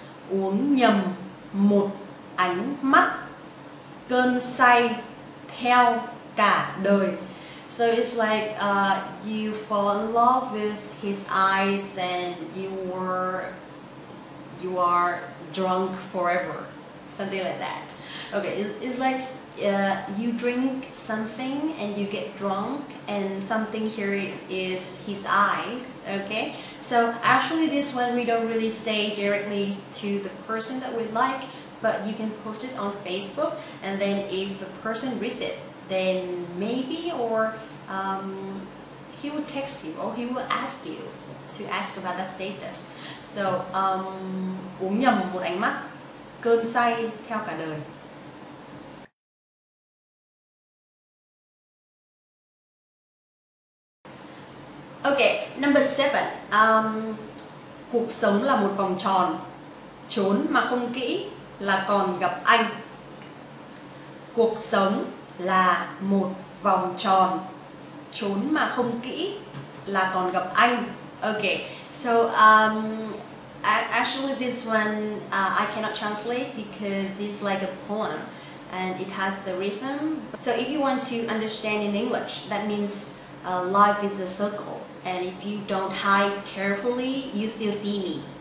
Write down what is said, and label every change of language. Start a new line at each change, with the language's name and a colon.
Vietnamese: Uống nhầm một ánh mắt, cơn say theo cả đời.
English: So it's like you fall in love with his eyes and you are drunk forever, something like that. Okay, it's like you drink something and you get drunk, and something here is his eyes. Okay, so actually this one we don't really say directly to the person that we like, but you can post it on Facebook, and then if the person reads it, then maybe he will text you or he will ask you to ask about the status.
Vietnamese: So uống nhầm một ánh mắt, cơn say theo cả đời.
English: Okay, number 7.
Vietnamese: Cuộc sống là một vòng tròn, trốn mà không kỹ là còn gặp anh. Cuộc sống là một vòng tròn, trốn mà không kỹ là còn gặp anh.
English: Okay, so actually this one I cannot translate because this is like a poem and it has the rhythm. So if you want to understand in English, that means life is a circle, and if you don't hide carefully, you still see me.